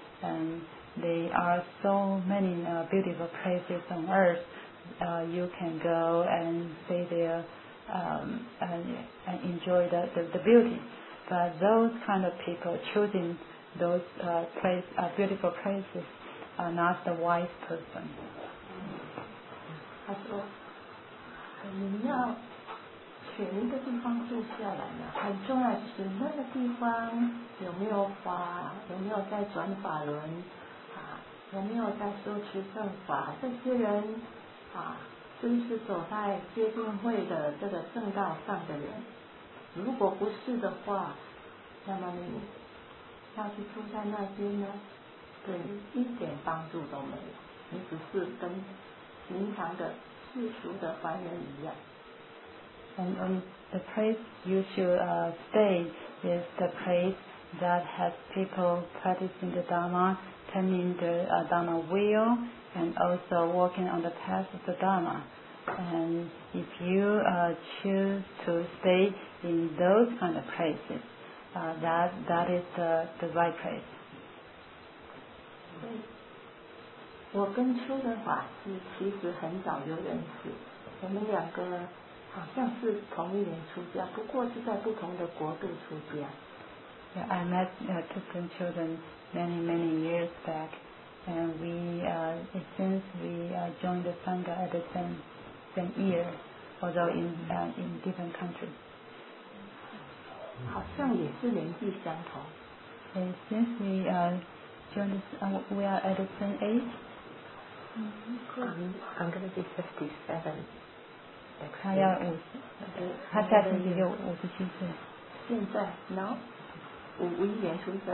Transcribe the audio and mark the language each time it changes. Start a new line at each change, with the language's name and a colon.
English: And there are so many beautiful places on earth. You can go and stay there and enjoy the beauty. But those kind of people choosing those beautiful places are not the wise person.
Chinese: 他说，你要选一个地方住下来呢，很重要就是那个地方有没有法，有没有在转法轮，有没有在修持正法，这些人真是走在接近会的这个正道上的人，如果不是的话，那么你要去住在那边呢，对，一点帮助都没有，你只是跟平常的世俗的凡人一样。
English: And the place you should stay is the place that has people practicing the Dhamma, turning the Dhamma wheel, and also walking on the path of the Dhamma. And if you choose to stay in those kind of places, that is the right place.
Chinese: 我跟初的法师其实很早就认识，我们两个好像是同一年出家，不过是在不同的国度出家。
English: Yeah, I met Thupten Children many, many years back, and we since we joined the Sangha at the same year, although in different countries.
Chinese: 好像也是年纪相同。
English: And since we joined, we are at the same age. I'm gonna be 57.
Chinese: 他要五十，他下星期就五十七岁。现在 ？No， 五一年出生的。